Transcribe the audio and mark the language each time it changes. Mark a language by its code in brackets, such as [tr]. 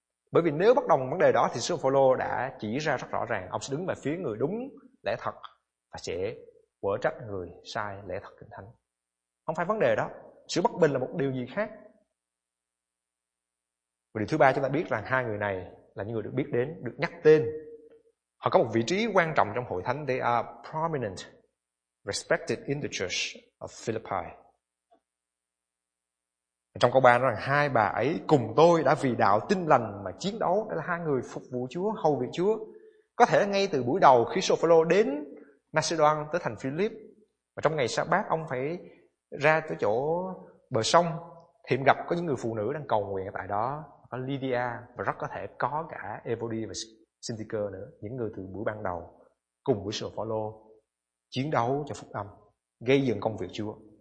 [vi] Bởi vì nếu bất đồng vấn đề đó thì sứ đồ Phao-lô đã chỉ ra rất rõ ràng, ông sẽ đứng về phía người đúng lẽ thật và sẽ quở trách người sai lẽ thật kinh thánh. Không phải vấn đề đó. Sự bất bình là một điều gì khác. Và điều thứ ba, chúng ta biết rằng hai người này là những người được biết đến, được nhắc tên. Họ có một vị trí quan trọng trong hội thánh. [en] They are prominent, respected in the church of Philippi. [vi] Trong câu 3 nói rằng hai bà ấy cùng tôi đã vì đạo tin lành mà chiến đấu. Đó là hai người phục vụ Chúa, hầu việc Chúa. Có thể ngay từ buổi đầu khi sứ đồ Phao-lô đến Macedon, tới thành Philip. Và trong ngày Sa-bát ông phải ra tới chỗ bờ sông, thiệm gặp có những người phụ nữ đang cầu nguyện ở tại đó, có Lydia và rất có thể có cả Euodia và Syntyche nữa, những người từ buổi ban đầu cùng với sứ đồ Phao-lô chiến đấu cho phúc âm, gây dựng công việc Chúa.